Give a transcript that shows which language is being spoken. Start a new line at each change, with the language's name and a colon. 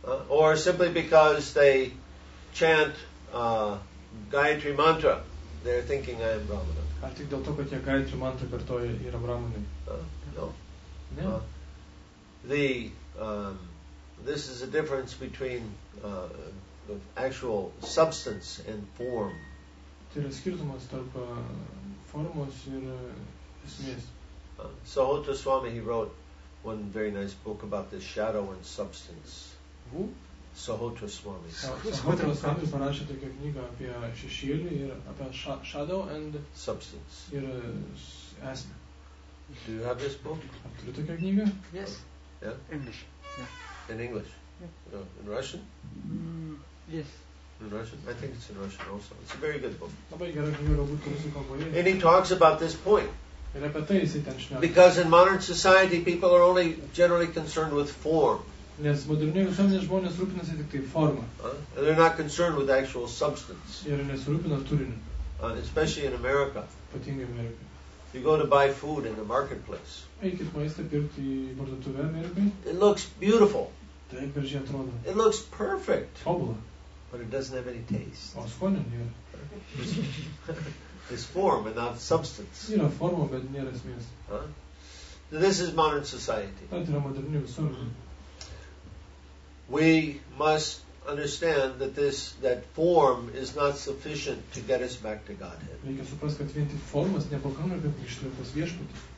English: Or simply because they chant Gayatri Mantra, they're thinking I am Brahmana.
Lithuanian: Ar tik dėl to, kad jie Gayatri Mantra kartoja, yra Brahmanai?
English: No.
Lithuanian: Ne?
English: This is a difference between the actual substance and form.
Lithuanian: Tai yra skirtumas tarp formos ir esmės.
English: So Hota Swami, he wrote one very nice book about this shadow and substance. Who? Sahotra Swami.
Lithuanian: Sahotra Swami parašė tokią knygą apie šešėlį ir apie
English: shadow and substance.
Lithuanian: Ir esmę.
English: Do you have this book?
Lithuanian: Ar turi tokią knygą?
English: Yes. Yeah. English. Yeah. In English. Yeah. In Russian? Yes. In Russian? I think it's in Russian also. It's a very good book.
Lithuanian: Labai gera knyga, galbūt rusų kalboje.
English: And he talks about this point.
Lithuanian: Ir apie tai jisai ten šneka.
English: Because in modern society people are only generally concerned with form.
Lithuanian: Nes moderniai visuomenės žmonės rūpinasi tik tai forma.
English: They're not concerned with actual substance.
Lithuanian: Ir nesirūpina turiniu.
English: Especially in America.
Lithuanian: Ypatingai Amerikoje.
English: You go to buy food in the marketplace.
Lithuanian: Eikit maistą pirkti į parduotuvę Amerikoje.
English: It looks beautiful.
Lithuanian: Tai gražiai atrodo.
English: It looks perfect.
Lithuanian: Tobula.
English: But it doesn't have any taste.
Lithuanian: O skonio nėra.
English: It's form and not substance.
Lithuanian: Yra forma, bet nėra esmės.
English: This is modern society.
Lithuanian: Tai yra moderni visuomenė.
English: We must understand that this that form is not sufficient to get us back to Godhead.
Lithuanian: Reikia suprasti, kad vien tik formas nepakanka, kad grįžtume pas Viešpatį.